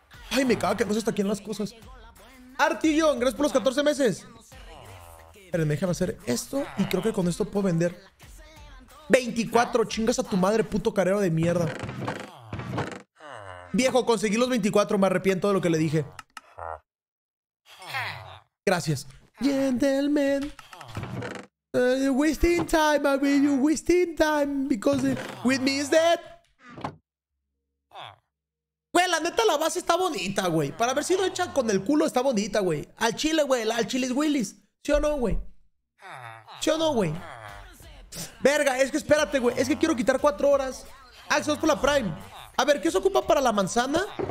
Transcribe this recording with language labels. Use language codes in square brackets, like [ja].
[es] Ay, me caga que no se está aquí en las cosas. Artillón, gracias por los 14 meses. Pero déjame hacer esto y creo que con esto puedo vender... 24, chingas a tu madre, puto carero de mierda. Viejo, conseguí los 24, me arrepiento de lo que le dije. Gracias. [en] Gentlemen, wasting time, I mean, you're wasting time because with me is dead. [es] Güey, la neta, la base está bonita, güey. Para haber sido hecha con el culo, está bonita, güey. Al chile, güey, al chile es Willis. ¿Sí o no, güey? ¿Sí o no, güey? Verga, es que espérate, güey. Es que quiero quitar 4 horas. Ah, eso es por la Prime. A ver, ¿qué se ocupa para la manzana?